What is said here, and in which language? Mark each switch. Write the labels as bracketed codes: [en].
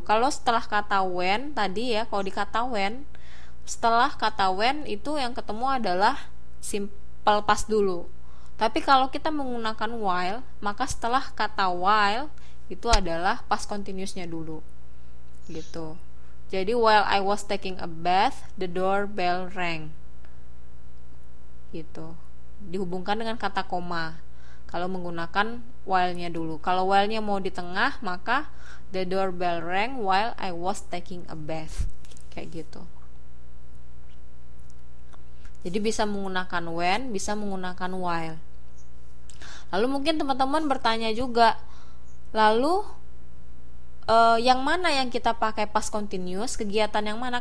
[id] Kalau setelah kata when tadi ya, kalau di kata when, setelah kata when itu yang ketemu adalah simple past dulu. Tapi kalau kita menggunakan while, maka setelah kata while itu adalah past continuousnya dulu. Gitu. [en] Jadi while I was taking a bath, the doorbell rang. [id] Gitu. Dihubungkan dengan kata koma kalau menggunakan while-nya dulu. [en] Kalau while-nya mau di tengah, maka the doorbell rang while I was taking a bath, kayak gitu. [id] Jadi bisa menggunakan when, bisa menggunakan while. Lalu mungkin teman-teman bertanya juga, lalu yang mana yang kita pakai past continuous, kegiatan yang mana?